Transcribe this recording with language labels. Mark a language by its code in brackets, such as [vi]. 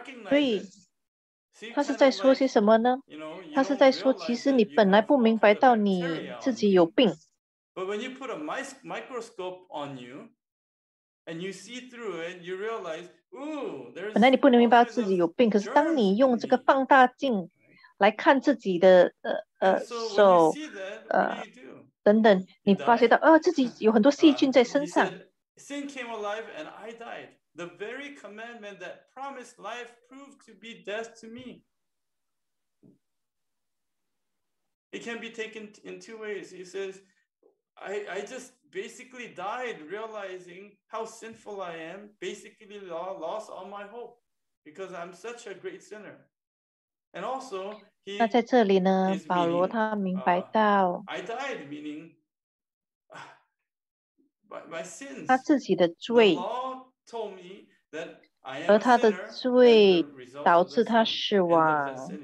[zh] 所以他是在说些什么呢？他是在说，其实你本来不明白到你自己有病。 [en] But when you put a microscope on you, and you see through it, you realize, ooh, [zh] 本来你不能明白自己有病，可是当你用这个放大镜来看自己的手等等，你发现到自己有很多细菌在身上。 [en] Sin came alive and I died. The very commandment that promised life proved to be death to me. It can be taken in two ways. He says, I just basically died realizing how sinful I am, basically lost all my hope because I'm such a great sinner. And also, he, [zh] 那在这里呢，保罗他明白到 [en] I died, meaning, my sins, [zh] 他自己的罪 [en] the law told me that I am [zh] 而他的罪导致他死亡。